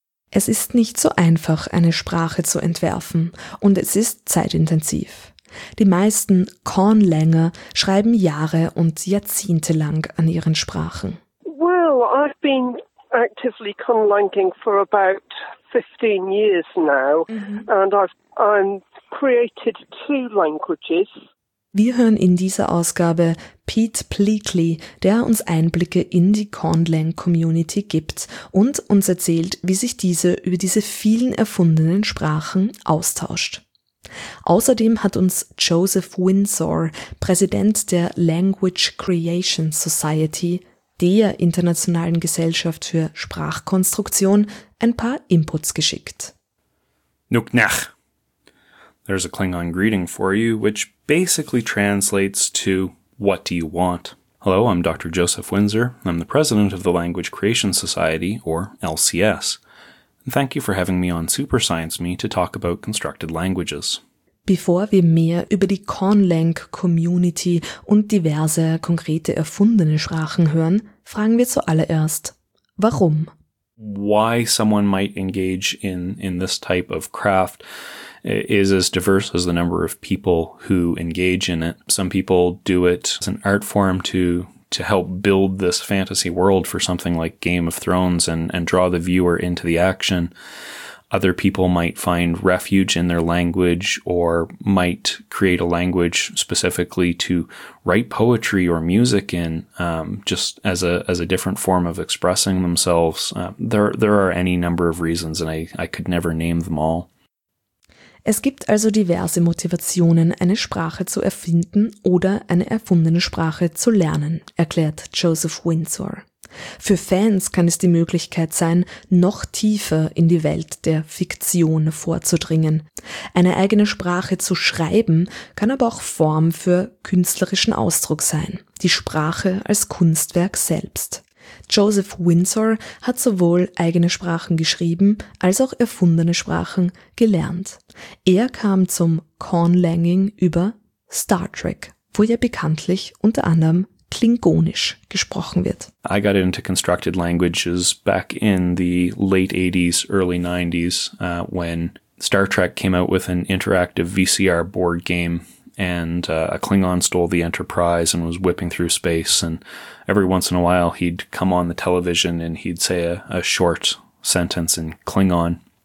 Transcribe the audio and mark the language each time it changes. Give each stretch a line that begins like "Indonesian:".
German: Es ist nicht so einfach, eine Sprache zu entwerfen, und es ist zeitintensiv. Die meisten Conlanger schreiben Jahre und Jahrzehnte lang an ihren Sprachen.
English: Well, I've been actively conlanging for about 15 years now, and I've created two languages.
German: Wir hören in dieser Ausgabe Pete Pleakley, der uns Einblicke in die Conlang-Community gibt und uns erzählt, wie sich diese über diese vielen erfundenen Sprachen austauscht. Außerdem hat uns Joseph Windsor, Präsident der Language Creation Society, der Internationalen Gesellschaft für Sprachkonstruktion, ein paar Inputs geschickt.
Klingon: Nuknach.
English: There's a Klingon greeting for you, which basically translates to, what do you want? Hello, I'm Dr. Joseph Windsor. I'm the president of the Language Creation Society, or LCS. And thank you for having me on Super Science Me to talk about constructed languages.
German: Bevor wir mehr über die Conlang-Community und diverse konkrete erfundene Sprachen hören, fragen wir zuallererst, warum?
English: Why someone might engage in this type of craft is as diverse as the number of people who engage in it. Some people do it as an art form to help build this fantasy world for something like Game of Thrones and draw the viewer into the action. Other people might find refuge in their language or might create a language specifically to write poetry or music in, just as a different form of expressing themselves. There are any number of reasons, and I could never name them all.
German: Es gibt also diverse Motivationen, eine Sprache zu erfinden oder eine erfundene Sprache zu lernen, erklärt Joseph Windsor. Für Fans kann es die Möglichkeit sein, noch tiefer in die Welt der Fiktion vorzudringen. Eine eigene Sprache zu schreiben kann aber auch Form für künstlerischen Ausdruck sein, die Sprache als Kunstwerk selbst. Joseph Windsor hat sowohl eigene Sprachen geschrieben als auch erfundene Sprachen gelernt. Er kam zum Conlanging über Star Trek, wo ja bekanntlich unter anderem Klingonisch gesprochen wird.
English: I got into constructed languages back in the late 80s, early 90s, when Star Trek came out with an interactive VCR board game, and a Klingon stole the Enterprise and was whipping through space. And every once in a while, he'd come on the television and he'd say a short sentence in Klingon.